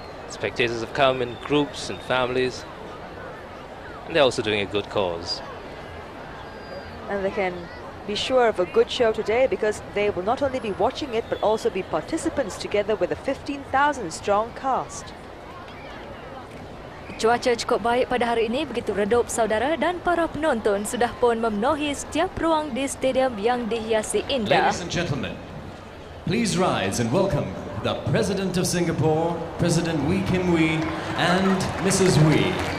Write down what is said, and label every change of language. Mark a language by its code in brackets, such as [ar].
[en] Spectators have come in groups and families, and they're also doing a good cause. And they can be sure of a good show today because they will not only be watching it but also be participants together with a 15,000-strong cast. [ms] Cuaca cukup baik pada hari ini, begitu redup saudara, dan para penonton sudah pun memenuhi setiap ruang di stadium yang dihiasi indah. [en] Ladies and gentlemen, please rise and welcome the President of Singapore, President Wee Kim Wee, and Mrs. Wee.